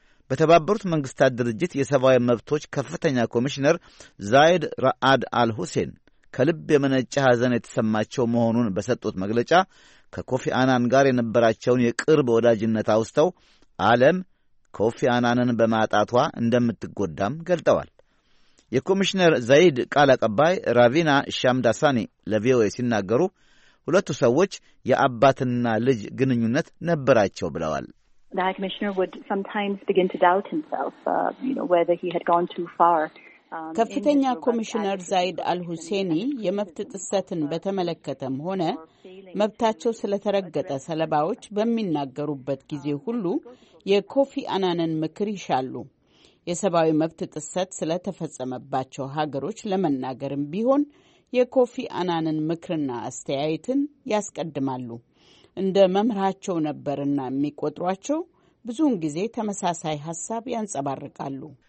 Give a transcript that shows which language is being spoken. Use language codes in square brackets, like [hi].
[am] በተባበሩት መንግስታት ድርጅት የሰብአዊ መብቶች ከፍተኛ ኮሚሽነር ዛይድ ራአድ አልሁሴን ከልብ የመነጨ ሐዘን የተሰማቸው መሆኑን በሰጡት መግለጫ ከኮፊ አናን ጋር የነበራቸውን የቅርብ ወዳጅነት አውስተው ዓለም ኮፊ አናንን በማጣቷ እንደምትጎዳም ገልጠዋል። የኮሚሽነር ዘይድ ቃል አቀባይ ራቪና ሻምዳሳኒ ለቪኦኤ ሲናገሩ ሁለቱ ሰዎች የአባትና ልጅ ግንኙነት ነበራቸው ብለዋል። [en] The High Commissioner would sometimes begin to doubt himself, whether he had gone too far. [am] ከፍተኛ ኮሚሽነር ዛይድ አልሁሴኒ የመብት ጥሰትን በተመለከተም ሆነ መብታቸው ስለተረገጠ ሰለባዎች በሚናገሩበት ጊዜ ሁሉ የኮፊ አናንን ምክር ይሻሉ። የሰብአዊ መብት ጥሰት ስለተፈጸመባቸው ሀገሮች ለመናገርም ቢሆን የኮፊ አናንን ምክርና አስተያየትን ያስቀድማሉ። እንደ መምህራቸው ነበርና የሚቆጥሯቸው ብዙውን ጊዜ ተመሳሳይ ሐሳብ ያንጸባርቃሉ።